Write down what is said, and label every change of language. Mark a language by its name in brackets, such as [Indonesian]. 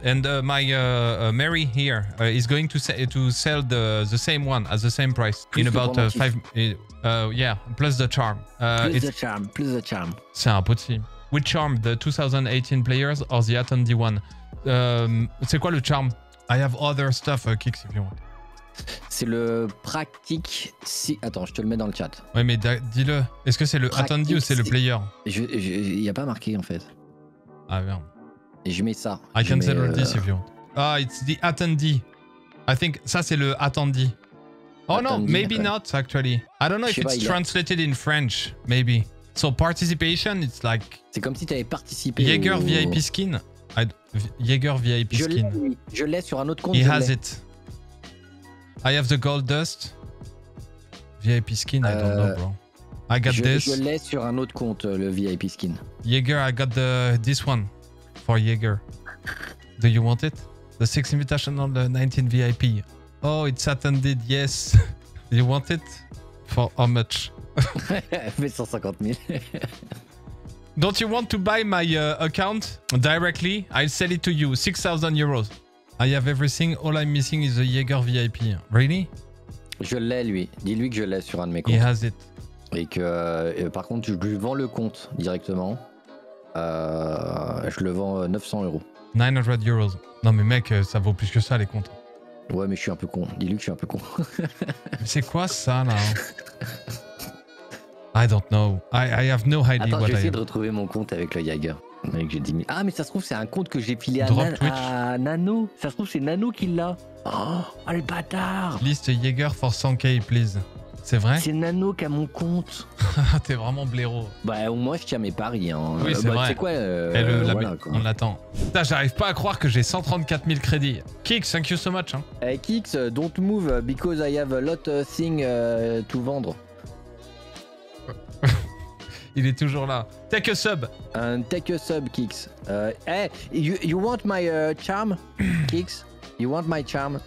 [English] And my Mary here is going to sell the same one at the same price. Plus in about five... plus the charm. Plus the charm. [French] C'est impossible. [English] Which charm? The 2018 players or the attendee one? [French] C'est quoi le charm? [English] I have other stuff, Kix, if you want. [French] C'est le pratique. Si... Attends, je te le mets dans le chat. Ouais, mais dis-le. Est-ce que c'est le attendee ou c'est le player? Il n'y a pas marqué en fait. Ah merde. Et je mets ça. [English] I [French] je [English] can sell this if you want. Ah, it's the attendee. I think [French] ça c'est le attendee. [English] Oh non, maybe not actually. I don't know if it's translated in French. Maybe. So participation, it's like. [French] C'est comme si tu avais participé. [English] Jaeger VIP skin. Jaeger VIP skin. [French] Je l'ai sur un autre compte. [English] He has it. I have the gold dust. VIP skin, I don't know, bro. I got this. [French] Je l'ai sur un autre compte, le VIP skin. [English] Jaeger, I got this one for Jaeger. Do you want it? The Six Invitational, the 19 VIP. Oh, it's attended, yes. You want it? For how much? 150 000. Don't you want to buy my account directly? I'll sell it to you, 6,000 euros. I have everything. All I'm missing is the Jaeger VIP. Really? [French] Je l'ai, lui. Dis-lui que je l'ai sur un de mes comptes. [English] He has it. [French] Et que, par contre, je lui vends le compte directement. Je le vends 900 euros. 900 euros. Non, mais mec, ça vaut plus que ça, les comptes. Ouais, mais je suis un peu con. Dis-lui que je suis un peu con. Mais c'est quoi ça, là? [English] I don't know. I have no idea. [French] Attends, [English] what [French] je vais essayer [English] I [French] de retrouver mon compte avec le Jaeger. Mec, j'ai dit... Ah, mais ça se trouve, c'est un compte que j'ai filé à Nano. Ça se trouve, c'est Nano qui l'a. Oh, le bâtard. List Jaeger for 100k, please. C'est vrai? C'est Nano qui a mon compte. T'es vraiment blaireau. Bah, au moins, je tiens mes paris. Hein. Oui, c'est bah, vrai. C'est quoi, voilà, quoi? On l'attend. Putain, j'arrive pas à croire que j'ai 134 000 crédits. [English] Kix, thank you so much. Hein. Hey, Kix, don't move because I have a lot of things to vendre. [French] Il est toujours là. [English] Take a sub. Take a sub, Kix. Hey, you want my charm, Kix? You want my charm?